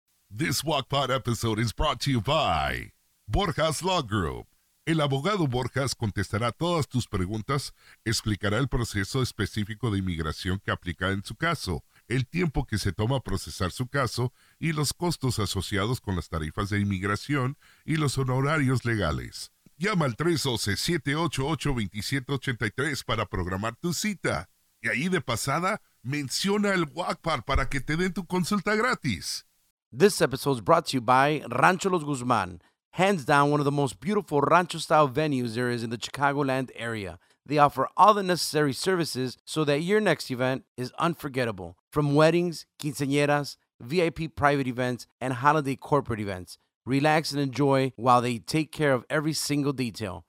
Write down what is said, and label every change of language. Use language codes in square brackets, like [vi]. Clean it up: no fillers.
[en] This Wokpod episode is brought to you by Borjas Law Group. [es] El abogado Borjas contestará todas tus preguntas, explicará el proceso específico de inmigración que aplica en su caso, el tiempo que se toma procesar su caso y los costos asociados con las tarifas de inmigración y los honorarios legales. Llama al 312-788-2783 para programar tu cita. Y ahí de pasada, menciona el WACPAR para que te den tu consulta gratis. [en] This episode is brought to you by Rancho Los Guzmán. Hands down, one of the most beautiful rancho-style venues there is in the Chicagoland area. They offer all the necessary services so that your next event is unforgettable. From weddings, quinceañeras, VIP private events, and holiday corporate events, relax and enjoy while they take care of every single detail.